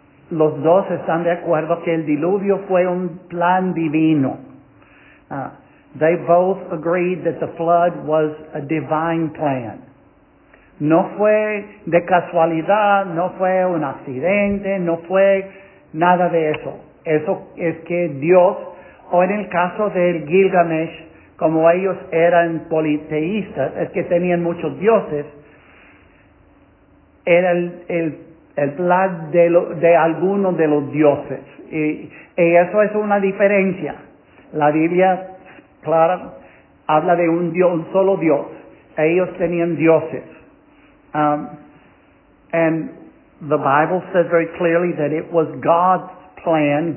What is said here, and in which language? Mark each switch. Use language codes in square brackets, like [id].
[es] los dos están de acuerdo que el diluvio fue un plan divino. [en] They both agreed that the flood was a divine plan. [es] No fue de casualidad, no fue un accidente, no fue nada de eso. Eso es que Dios, o en el caso del Gilgamesh, como ellos eran politeístas, es que tenían muchos dioses, era el plan de algunos de los dioses. Y eso es una diferencia. La Biblia, claro, habla de un Dios, un solo Dios. Ellos tenían dioses. [en] And the Bible says very clearly that it was God's plan.